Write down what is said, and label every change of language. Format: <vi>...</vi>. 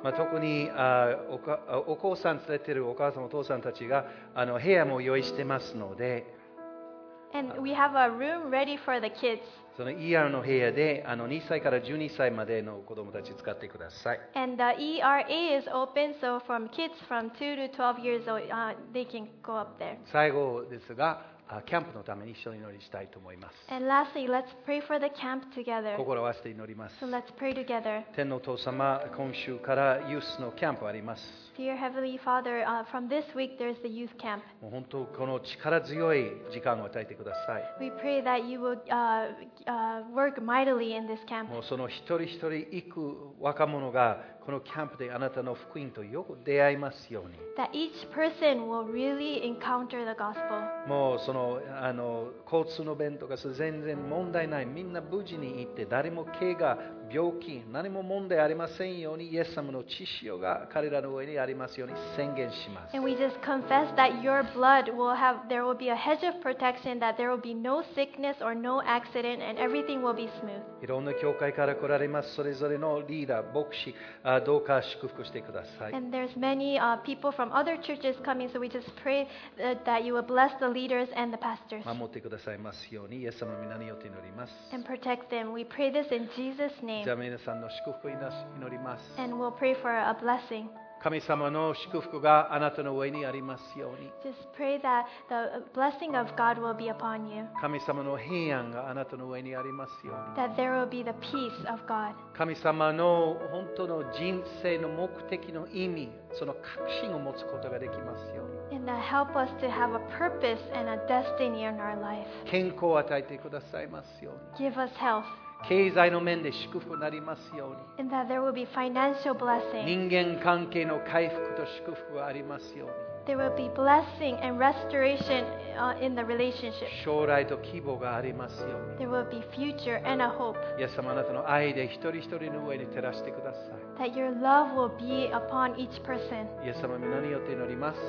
<ja>まあ特に、お子さん連れてるお母さんお父さんたちが部屋も用意してますので。</ja> <en>And we have a room ready for the kids.</en> <ja>その ER の部屋で2歳から12歳までの子供たち使ってください。</ja> <en>And the ERA is open, so from kids from 2 to 12 years old, they can go up there.</en> <ja>最後ですが、キャンプのために一緒に祈りしたいと思います。</ja> <en>And lastly, let's pray for the camp together.</en> <ja>心を合わせて祈ります。</ja> <en>So let's pray together.</en> <ja>天のお父様、今週からユースのキャンプあります。</ja> <en>Dear Heavenly Father, from this week there's the youth camp.</en> <ja>本当この力強い時間を与えてください。</ja> <en>We pray that you will work mightily in this camp.</en> <ja>もうその一人一人行く若者がこのキャンプであなたの福音とよく出会いますように。</ja> <en>That each person will really encounter the gospel.</en> <ja>もうその交通の便とか全然問題ない。みんな無事に行って誰も怪我。病気何も問題ありませんように、イエス様の血潮が彼らの上にありますように宣言します。</ja> <en>And we just confess that your blood will have, there will be a hedge of protection, that there will be no sickness or no accident, and everything will be smooth.</en> <ja>いろんな教会から来られますそれぞれのリーダー牧師、どうか祝福してください。</ja> <en>And there's many people from other churches coming, so we just pray that you will bless the leaders and the pastors.</en> <ja>守ってくださいますように、イエス様の皆によって祈ります。</ja> <en>And protect them. We pray this in Jesus' name.</en> <ja>じゃあ皆さんの祝福を祈ります。</ja> <en>And we'll pray for a blessing.</en> <ja>神様の祝福があなたの上にありますように。</ja> <en>Just pray that the blessing of God will be upon you.</en> <ja>神様の平安があなたの上にありますように。</ja> <en>That there will be the peace of God.</en> <ja>神様の本当の人生の目的の意味、その確信を持つことができますように。</ja> <en>And that help us to have a purpose and a destiny in our life.</en> <ja>健康を与えてくださいますように。</ja> <en>Give us health.</en> <ja>経済の面で祝福になりますように。</ja> <en>And that there will be financial blessing.</en> <ja>人間関係の回復と祝福がありますように。</ja> <en>There will be blessing and restoration in the relationship.</en> <ja>将来と希望がありますように。</ja> <en>There will be future and a hope.</en> <ja>イエス様、あなたの愛で一人一人の上に照らしてください。</ja> <en>That your love will be upon each person.</en> <ja>イエス様、皆によって祈ります。</ja>